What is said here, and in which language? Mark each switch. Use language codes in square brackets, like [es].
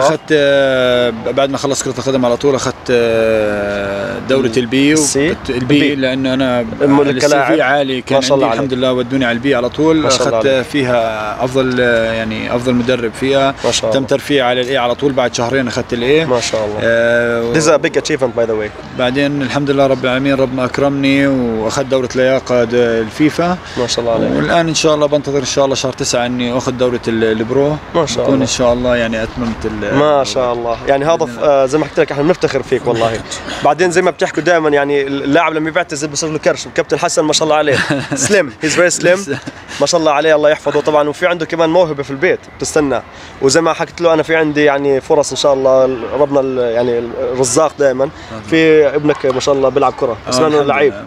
[ar] انا اخذت بعد ما خلصت كره القدم على طول اخذت دوره البي والبي لانه انا السي في عالي كان ما شاء الله عندي الحمد لله ودوني على البي على طول اخذت فيها افضل يعني افضل مدرب فيها ما شاء الله. تم ترفيع على الاي على طول بعد شهرين اخذت الاي ما شاء الله [en] This is a big achievement by the way [ar] بعدين الحمد لله رب العالمين ربنا اكرمني واخذت دوره لياقه الفيفا ما شاء الله عليك والان ان شاء الله بنتظر ان شاء الله شهر 9 اني اخذ دوره البرو ما شاء الله ان شاء الله يعني اتممت ما شاء الله يعني هذا زي ما حكيت لك احنا بنفتخر فيك والله بعدين زي ما بتحكوا دائما يعني اللاعب لما يعتزل بصير له كرش كابتن حسن ما شاء الله عليه [en] Salim he's very slim [ar] ما شاء الله عليه الله يحفظه طبعا وفي عنده كمان موهبه في البيت بتستنى وزي ما حكيت له انا في عندي يعني فرص ان شاء الله ربنا يعني الرزاق دائما في ابنك ما شاء الله بيلعب كره اسمه لعيب